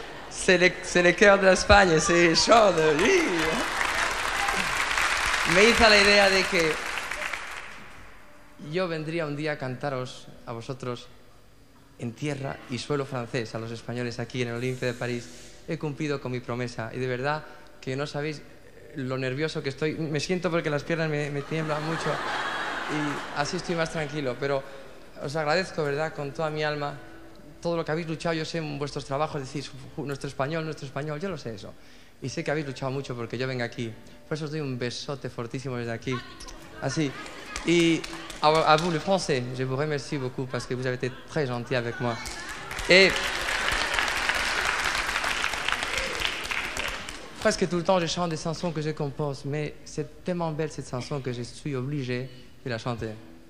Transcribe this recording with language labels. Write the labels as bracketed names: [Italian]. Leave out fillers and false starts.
[French] C'est le cœur de l'Espagne, c'est chaud. [Spanish] Me hice la idea de que yo vendría un día a cantaros a vosotros en tierra y suelo francés, a los españoles aquí en el Olympia de París. He cumplido con mi promesa y de verdad que no sabéis lo nervioso que estoy. Me siento porque las piernas me tiemblan mucho y así estoy más tranquilo. Pero os agradezco, ¿verdad?, con toda mi alma todo lo que habéis luchado. Yo sé en vuestros trabajos, decís, nuestro español, yo lo sé eso. Y sé que habéis luchado mucho porque yo venga aquí. Por eso os doy un besote fortísimo desde aquí. Así. [French] Y a vous, le français, je vous remercie beaucoup parce que vous avez été très gentil avec moi. Et presque tout le temps, je chante des chansons que je compose, mais c'est tellement belle cette chanson que je suis obligé de la chanter.